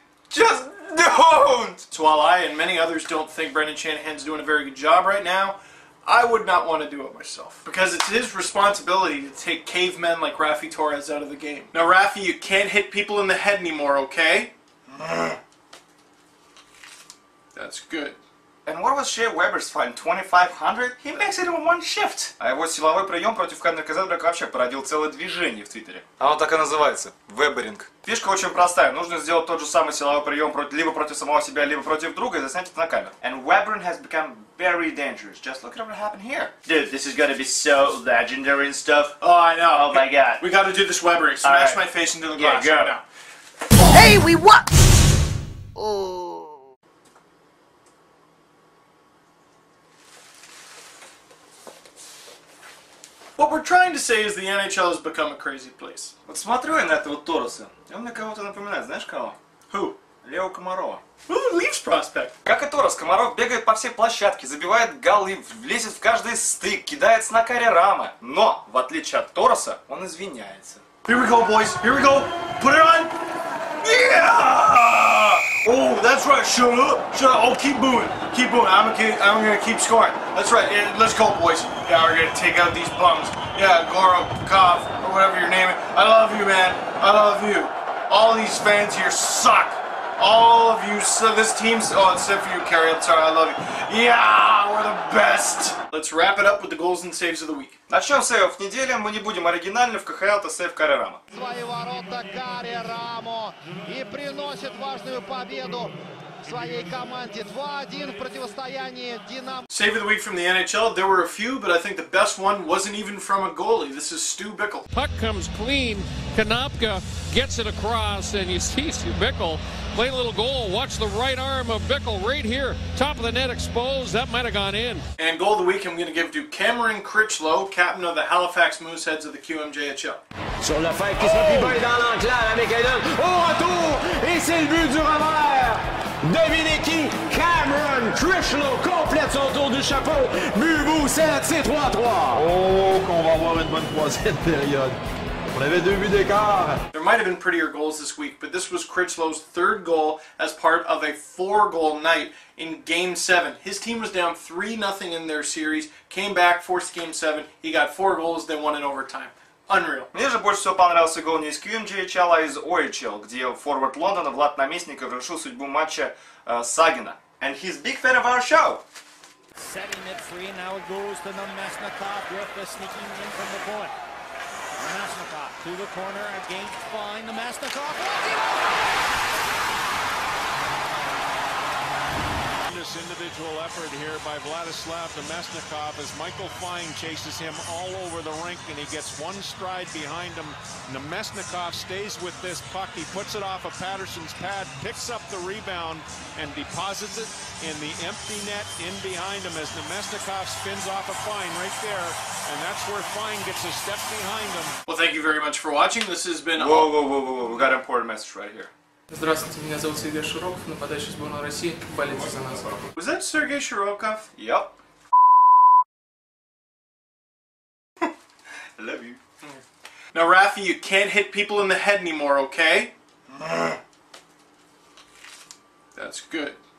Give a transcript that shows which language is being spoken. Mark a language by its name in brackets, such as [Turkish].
[English] Just don't!'" So while I and many others don't think Brendan Shanahan's doing a very good job right now, I would not want to do it myself. Because it's his responsibility to take cavemen like Raffi Torres out of the game. Now Raffi, you can't hit people in the head anymore, okay? That's good. And what was Shea Weber's fine? 2500? He makes it on one shift. [Russian] А его силовой прием против Кендрика Зендрика вообще породил целое движение в Твиттере. Оно так и называется. Webering. Фишка очень простая. Нужно сделать тот же самый силовой прием либо против самого себя, либо против друга и заснять это на камеру. [English] And Webering has become very dangerous. Just look at what happened here. Dude, this is gonna be so legendary and stuff. Oh, I know. Oh my god. We gotta do this Webering. Smash right. My face into the glass. Yeah, go. Right now. Hey, we what? What we're trying to say is the NHL has become a crazy place. [Russian] Вот смотрю я на этого Тороса, и он мне кого-то напоминает, знаешь кого? [English] Who? [Russian] Лео Комарова. [English] Who? Leafs prospect. [Russian] Как и Торос, Комаров бегает по всей площадке, забивает голы, влезет в каждый стык, кидается на каре рамы. Но, в отличие от Тороса, он извиняется. [English] Here we go, boys. Here we go. Put it on. Yeah! Oh, that's right. Shut up. Oh, keep moving. Keep moving. I'm gonna keep scoring. That's right. Yeah, let's go, boys. Yeah, we're gonna take out these bums. Yeah, Gorokov or whatever your name is. I love you, man. I love you. All these fans here suck. All of you. So this team's. Oh, except for you, Carey. I'm sorry. I love you. Yeah, we're the best. Let's wrap it up with the goals and saves of the week. [Russian] Начнем с сейвов недели. Мы не будем оригинальны. В КХЛ это сейв Каре Рамо. Свои ворота Каре Рамо и приносит важную победу своей команде. 2-1 в противостоянии Динамо. [English] Save of the week from the NHL. There were a few, but I think the best one wasn't even from a goalie. This is Stu Bickle. Puck comes clean. Kanapka gets it across, and you see Stu Bickle play a little goal. Watch the right arm of Bickle right here. Top of the net exposed. That might have gone in. And goal of the week I'm going to give to Cameron Crichlow, captain of the Halifax Mooseheads of the QMJHL. [French] Sur la faille qui sort du bas dans l'enclat, la Mécaïdon. Au retour! Et c'est le but du revers! Devinez qui? Cameron Crichlow complète son tour du chapeau. But Mooseheads, c'est 3-3. Oh, qu'on va avoir une bonne troisième période. [English] There might have been prettier goals this week, but this was Crichlow's third goal as part of a four-goal night in Game 7. His team was down 3-0 in their series, came back, forced Game 7, he got four goals, they won in overtime. Unreal. [Russian] Мне же больше всего понравился гол не из QMJHL, а из OHL, где форвард Лондона Влад Наместников решил судьбу матча Сагина. [English] And he's a big fan of our show! Setting it free, now it goes to Namesnikov with the sneaking in from the point. Namesnikov to the corner against Fine. Namesnikov. The tremendous individual effort here by Vladislav Namestnikov as Michael Fine chases him all over the rink, and he gets one stride behind him. Namestnikov stays with this puck. He puts it off of Patterson's pad, picks up the rebound, and deposits it in the empty net in behind him as Namestnikov spins off of Fine right there, and that's where Fine gets a step behind him. Well, thank you very much for watching. This has been... Whoa. We got an important message right here. [Russian] Здравствуйте, меня зовут Сергей Широков, нападающий сборной России. Болейте за нас. [English] Was that Сергей Широков? Yep. I love you. Now, Raffi, you can't hit people in the head anymore, okay? That's good.